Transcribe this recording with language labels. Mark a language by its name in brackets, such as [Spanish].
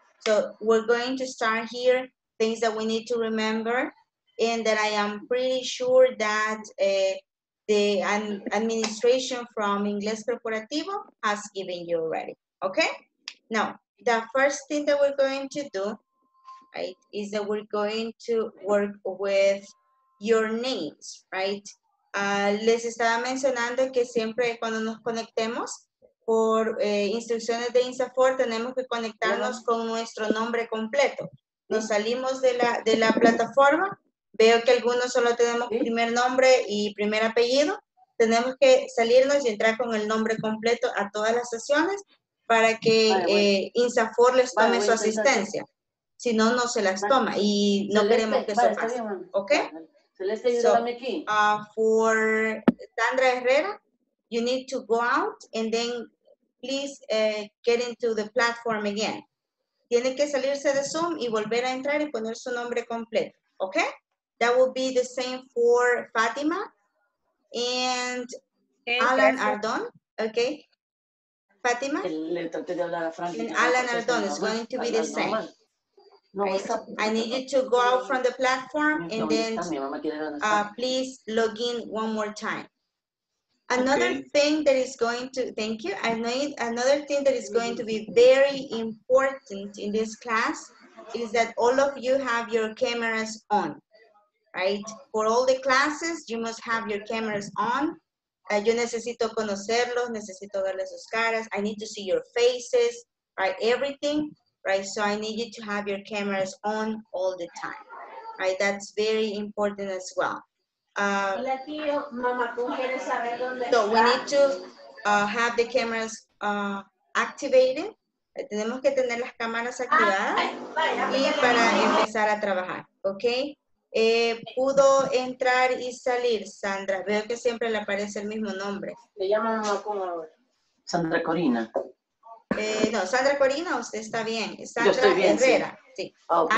[English] So we're going to start here, things that we need to remember, and that I am pretty sure that the administration from Ingles Corporativo has given you already, okay? Now, the first thing that we're going to do, right, is that we're going to work with your names, right? [Spanish] Les estaba mencionando que siempre cuando nos conectemos por instrucciones de Insafor tenemos que conectarnos con nuestro nombre completo. Nos salimos de la plataforma, veo que algunos solo tenemos primer nombre y primer apellido, tenemos que salirnos y entrar con el nombre completo a todas las sesiones, para que Insafor les tome su asistencia. Si no, no se las toma y no queremos que eso pase. ¿Ok? Celeste, ayúdame aquí. [English] For Sandra Herrera, you need to go out and then please get into the platform again. [Spanish] Tiene que salirse de Zoom y volver a entrar y poner su nombre completo. [English] ¿Ok? That will be the same for Fátima and Alan Ardón. ¿Ok? Fátima, Alan Ardón is going to be the same. Right? I need you to go out from the platform and then please log in one more time. Another thing that is going to, thank you. Another thing that is going to be very important in this class is that all of you have your cameras on, right? For all the classes, you must have your cameras on. [Spanish] Yo necesito conocerlos, necesito verles sus caras. [English] I need to see your faces, right? Everything right? So I need you to have your cameras on all the time, right? That's very important as well. So we need to have the cameras activated. [Spanish] Tenemos que tener las cámaras activadas y para empezar a trabajar, ¿ok? ¿Pudo entrar y salir Sandra? Veo que siempre le aparece el mismo nombre. Le llamo Mamacún ahora. Sandra Corina. No, Sandra Corina, usted está bien. Sandra Herrera. Sí. Okay.